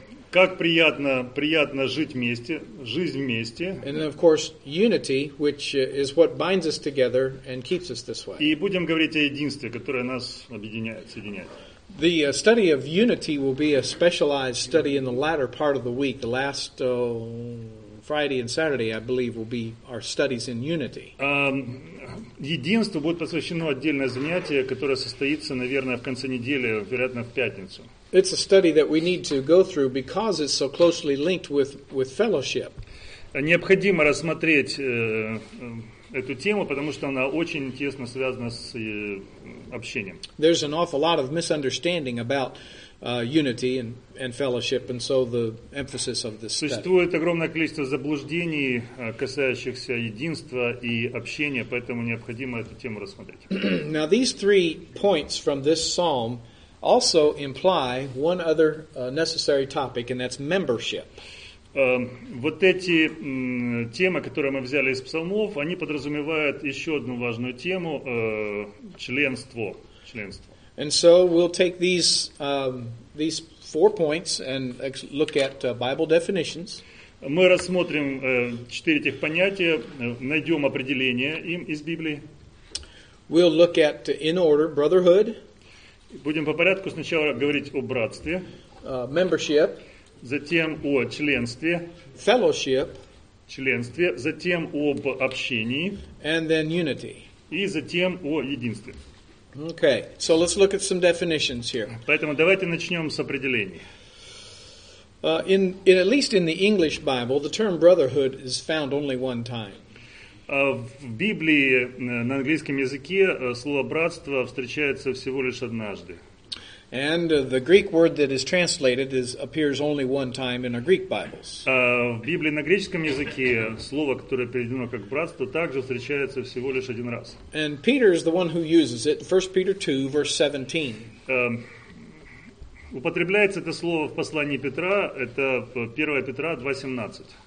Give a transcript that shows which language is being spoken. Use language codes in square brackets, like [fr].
[ru] Как приятно жить вместе, жизнь вместе. [en] And then, of course, unity, which is what binds us together and keeps us this way. [ru] И будем говорить о единстве, которое нас объединяет, соединяет. [en] The study of unity will be a specialized study in the latter part of the week. The last Friday and Saturday, I believe, will be our studies in unity. [ru] Единству будет посвящено отдельное занятие, которое состоится, наверное, в конце недели, вероятно, в пятницу. [en] It's a study that we need to go through because it's so closely linked with fellowship. [ru] Необходимо рассмотреть эту тему, потому что она очень тесно связана с общением. [en] There's an awful lot of misunderstanding about unity and fellowship, and so the emphasis of this study. [ru] Существует огромное количество заблуждений, касающихся единства и общения, поэтому необходимо эту тему рассмотреть. [en] Now these three points from this psalm also imply one other necessary topic, and that's membership. [ru] Вот эти темы, которые мы взяли из псалмов, они подразумевают еще одну важную тему – членство. [en] And so we'll take these four points and look at Bible definitions. [ru] Мы рассмотрим четыре этих понятия, найдем определение им из Библии. [en] We'll look at in order brotherhood. [ru] Будем по порядку сначала говорить о братстве. [en] membership, [ru] затем о членстве, [en] fellowship, [ru] членстве, затем об общении, [en] and then unity. [ru] И затем о единстве. [en] Okay, so let's look at some definitions here. [ru] Поэтому давайте начнем с определений. [en] In at least in the English Bible, the term brotherhood is found only one time. [ru] В Библии на английском языке слово братство встречается всего лишь однажды. [en] And the Greek word that is translated appears only one time in our Greek Bibles. [ru] В Библии на греческом языке слово, которое переведено как братство, также встречается всего лишь один раз. [en] And Peter is the one who uses it, 1 Peter 2, verse 17. [ru] Употребляется это слово в послании Петра, это 1 Петра 2:17.